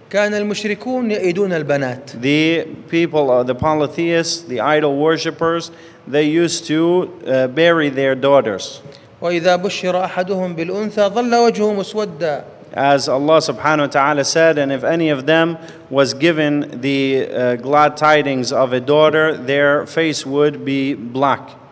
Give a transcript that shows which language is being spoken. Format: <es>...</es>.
<ar>كان المشركون يأيدون البنات.</ar> <en>The people, the polytheists, the idol worshippers, they used to bury their daughters.</en> <ar>وإذا بشر أحدهم بالأنثى ظل وجهه مسودا.</ar> <en>As Allah subhanahu wa ta'ala said, and if any of them was given the glad tidings of a daughter, their face would be black.</en>